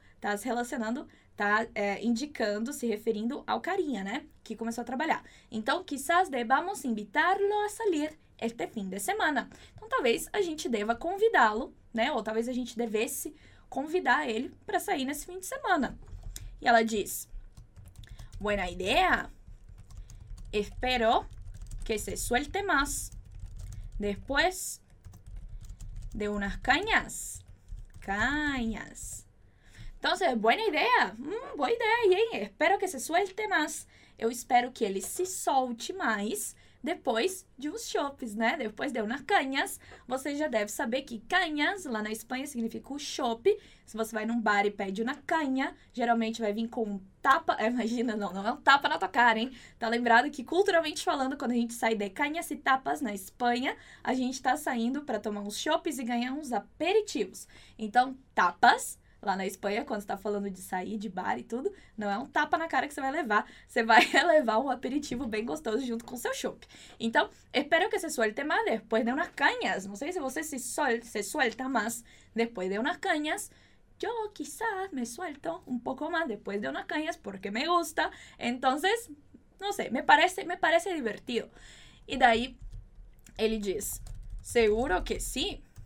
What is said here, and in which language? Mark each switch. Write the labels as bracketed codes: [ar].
[pt] Está se relacionando, indicando, se referindo ao carinha, né? Que começou a trabalhar. [es] Então, quizás debamos invitá-lo a salir este [pt] fim de semana. Então, talvez a gente deva convidá-lo, né? Ou talvez a gente devesse convidar ele para sair nesse fim de semana. [es] Y ella diz: buena idea. Espero que se suelte más después de unas cañas. Cañas. Entonces, buena idea. Buena idea, Jay. Espero que se suelte más. [pt] Eu espero que ele se solte mais depois de uns chopes, né? Depois de umas canhas. Você já deve saber que canhas lá na Espanha significa o chope. Se você vai num bar e pede uma canha, geralmente vai vir com um tapa. Imagina, não é um tapa na tua cara, hein? Tá lembrado que culturalmente falando, quando a gente sai de canhas e tapas na Espanha, a gente tá saindo pra tomar uns chopes e ganhar uns aperitivos. Então, tapas. Lá na Espanha, quando você tá falando de sair de bar e tudo, não é um tapa na cara que você vai levar. Você vai levar um aperitivo bem gostoso junto com o seu chope. [es] Então, espero que se suelte más después de unas cañas. [pt] Não sei se você [es] se suelta más después de unas cañas. Yo quizás me suelto un poco más después de unas cañas porque me gusta. Entonces, no sé, me parece divertido. Y de ahí, él dice, seguro que sí.